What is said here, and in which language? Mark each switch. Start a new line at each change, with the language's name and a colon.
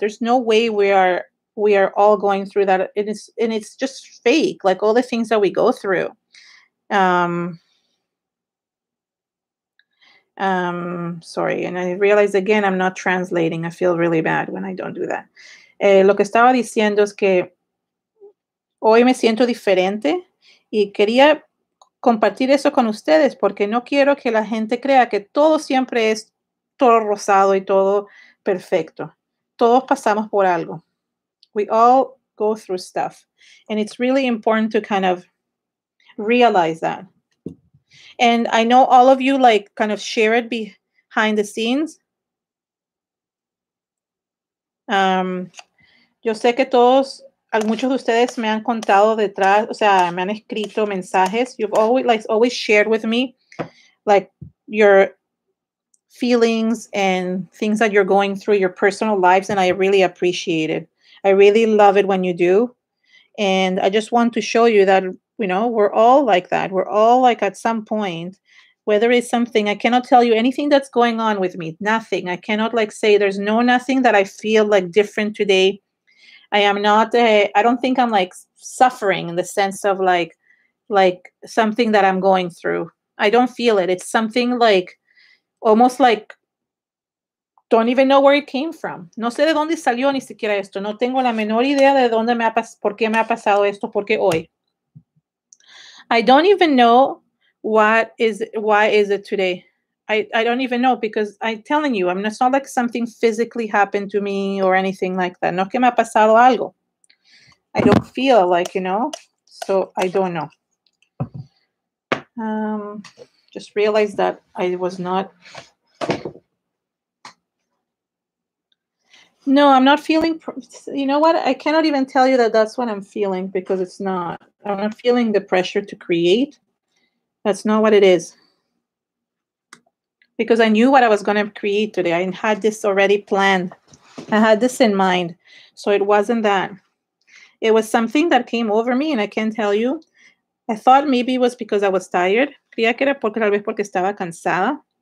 English: There's no way we are all going through that. And it's just fake, like all the things that we go through. Sorry, and I realize again I'm not translating. I feel really bad when I don't do that.
Spanish: Lo que estaba diciendo es que hoy me siento diferente y quería compartir eso con ustedes porque no quiero que la gente crea que todo siempre es todo rosado y todo perfecto. Todos pasamos por algo.
English: We all go through stuff, and it's really important to kind of realize that. And I know all of you like kind of share it behind the scenes.
Spanish: Yo sé que todos, muchos de ustedes me han contado detrás, o sea, me han escrito mensajes.
English: You've always shared with me like your feelings and things that you're going through, your personal lives, and I really appreciate it. I really love it when you do. And I just want to show you that You know, we're all like that. We're all like at some point, whether it's something, I cannot tell you anything that's going on with me, nothing. I cannot like say there's no nothing that I feel like different today. I am not, I don't think I'm like suffering in the sense of like something that I'm going through. I don't feel it. It's something like, almost like, don't even know where it came from.
Spanish: No sé de dónde salió ni siquiera esto. No tengo la menor idea de dónde me ha pasado, por qué me ha pasado esto, por qué hoy.
English: I don't even know why is it today. I don't even know because I'm telling you, I mean, it's not like something physically happened to me or anything like that.
Spanish: No que me ha pasado algo.
English: I don't feel like, you know, so I don't know. Just realized that I was not. No, I'm not feeling, you know what? I cannot even tell you that that's what I'm feeling because it's not. I'm not feeling the pressure to create. That's not what it is. Because I knew what I was going to create today. I had this already planned. I had this in mind. So it wasn't that. It was something that came over me, and I can't tell you. I thought maybe it was because I was tired.
Spanish: Creía que era porque tal vez porque estaba cansada.